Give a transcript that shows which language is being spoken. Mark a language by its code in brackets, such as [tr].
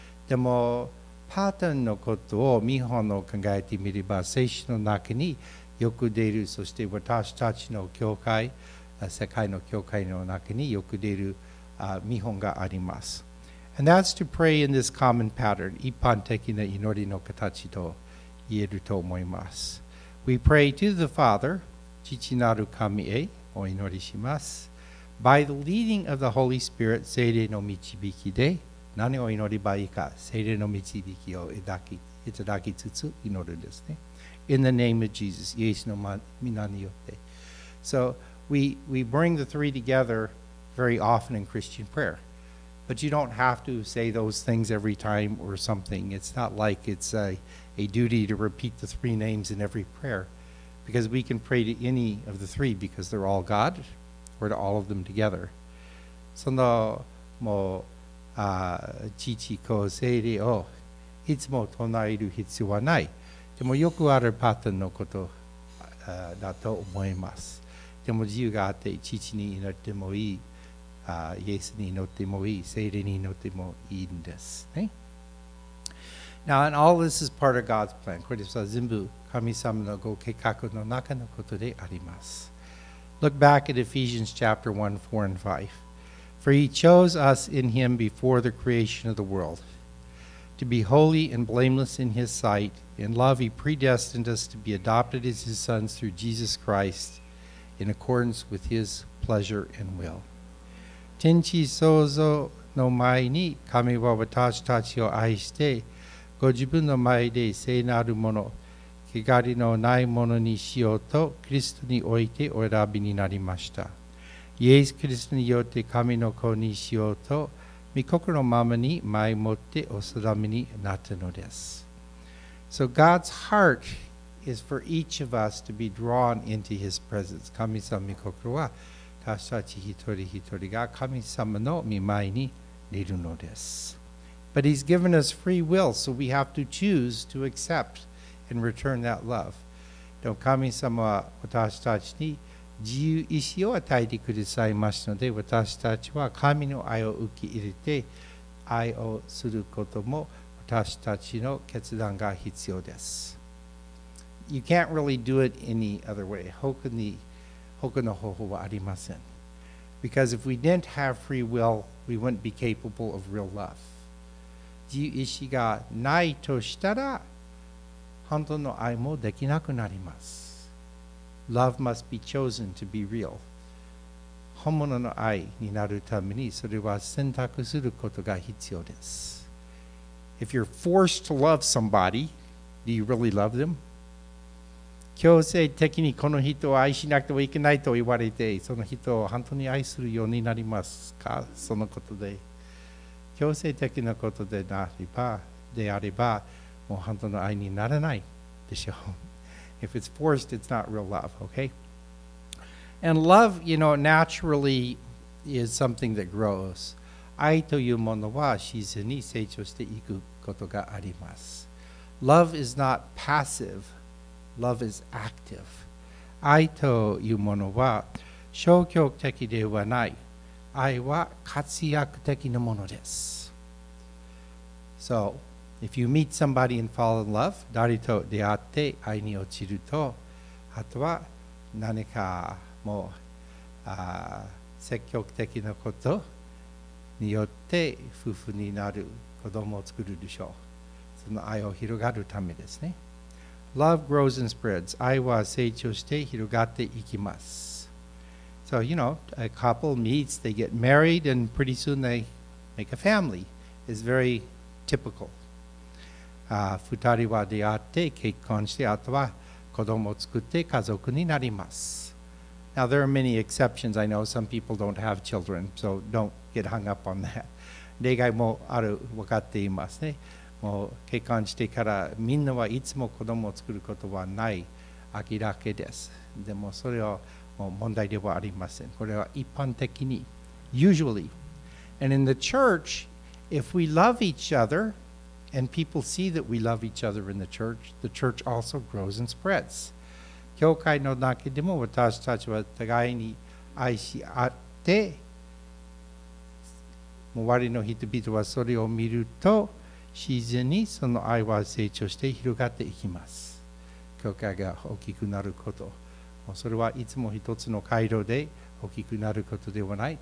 [ja] でも、パターンのことを見本を考えてみれば、聖書の中によく出る、そして私たちの教会、世界の教会の中によく出る、見本があります。 [en] And that's to pray in this common pattern, [ja] 一般的な祈りの形と言えると思います。 [en] We pray to the Father, [ja] 父なる神へお祈りします。 [en] By the leading of the Holy Spirit, [ja] 聖霊の導きで、何を祈ればいいか、聖霊の導きをいただきつつ祈るんですね。 [en] In the name of Jesus, [ja] イエスの名によって。 [en] So we bring the three together. Very often in Christian prayer. But you don't have to say those things every time or something. It's not like it's a duty to repeat the three names in every prayer. Because we can pray to any of the three because they're all God or to all of them together. [ja] そのもう、父子聖霊をいつも唱える必要はない。でもよくあるパターンのことだと思います。でも自由があって父に祈ってもいい。イエスに祈ってもいい、聖霊に祈ってもいいんです、ね。 [en] Now, and all this is part of God's plan. [ja] これは全部神様のご計画の中のことであります。 [en] Look back at Ephesians chapter 1, 4 and 5. For he chose us in him before the creation of the world, to be holy and blameless in his sight. In love he predestined us to be adopted as his sons through Jesus Christ in accordance with his pleasure and will. [ja] 天地創造の前に神は私たちを愛してご自分の前で聖なるもの穢れのないものにしようとキリストにおいてお選びになりましたイエス・キリストによって神の子にしようと御心のままに前もってお定めになったのです [en] So God's heart is for each of us to be drawn into his presence [ja] 神様御心は私たち一人一人が神様の御前にいるのです。 [en] But he's given us free will, so we have to choose to accept and return that love. [ja] 神様は私たちに自由意志を与えてくださいますので、私たちは神の愛を受け入れて、愛をすることも私たちの決断が必要です。 [en] You can't really do it any other way. [ja] 他の方法はありません。 [en] Because if we didn't have free will, we wouldn't be capable of real love. [ja] 自由意志がないとしたら、本当の愛もできなくなります。 [en] Love must be chosen to be real. [ja] 本物の愛になるために、それは選択することが必要です。 [en] If you're forced to love somebody, do you really love them? [ja] 強制的にこの人を愛しなくてはいけないと言われて、その人を本当に愛するようになりますか、そのことで。強制的なことでなれば、であれば、もう本当の愛にならないでしょう。 [en] If it's forced, it's not real love, okay? And love, you know, naturally is something that grows. [ja] 愛というものは自然に成長していくことがあります。 [en] Love is not passive. Love is active. [ja] 愛というものは消極的ではない。愛は活躍的なものです。 [en] So, if you meet somebody and fall in love, [ja] 誰と出会って愛に落ちると、あとは何かもう積極的なことによって夫婦になる子供を作るでしょう。その愛を広がるためですね。 [en] Love grows and spreads. [ja] 愛は成長して広がっていきます。 [en] So, you know, a couple meets, they get married, and pretty soon they make a family. is very typical. [ja] 二人は出会って結婚して、あとは子供を作って家族になります。 [en] Now there are many exceptions. I know some people don't have children, so don't get hung up on that. [ja] 例外もある、分かっていますね。もう結婚してからみんなはいつも子供を作ることはない明らかです。でもそれはもう問題ではありません。これは一般的に、 [en] usually. And in the church, if we love each other, and people see that we love each other in the church also grows and spreads. [ja] 教会の中でも私たちは互いに愛し合って、周りの人々はそれを見ると、自然にその愛は成長して広がっていきます。教会が大きくなること、それはいつも一つの回路で大きくなることではない。